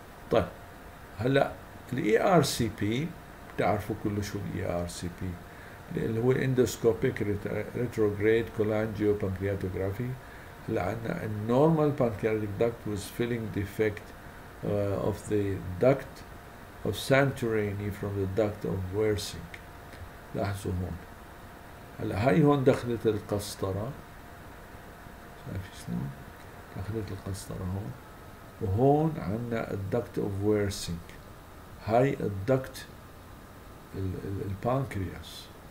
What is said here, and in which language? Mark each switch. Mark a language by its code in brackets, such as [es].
[ar] طيب هلا الاي ار سي بي بتعرفوا كل شو الاي ار سي بي اللي هو endoscopic retrograde cholangiopancreatography. هلا عندنا [en] a normal pancreatic duct with filling defect of the duct of Santorini from the duct of Wersing. [ar] لاحظوا هون هلا هاي هون دخلت القسطرة، شايفين شلون دخلت القسطرة هون، وهون عندنا الduct of Wersing، هاي الduct البانكرياس.